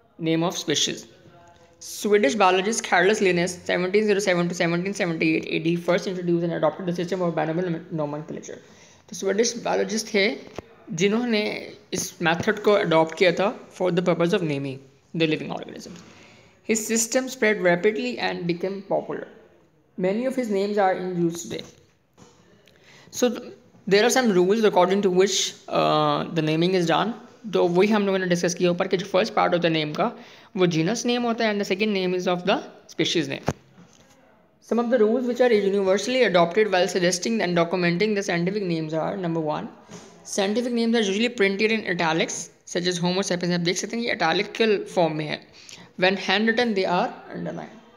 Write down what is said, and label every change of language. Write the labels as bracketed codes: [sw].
[en] name of species Swedish biologist Carolus Linnaeus 1707 to 1778 AD first introduce and adopted the system of binomial nomenclature [hi] तो Swedish biologist थे जिन्होंने इस method को adopt किया था [en] For the purpose of naming the living organisms His system spread rapidly and became popular. Many of his names are in use today. So there are some rules according to which the naming is done. [hi] तो वही हम लोगों ने discuss किया ऊपर के जो first part होता है [en] name का वो genus name होता है and the second name is of the species name some of the rules which are universally adopted well suggesting and documenting the scientific names are number one scientific names are usually printed in italics such as Homo sapiens [hi] आप देख सकते हैं ये इटैलिकल form में है [en] When handwritten, they are underlined.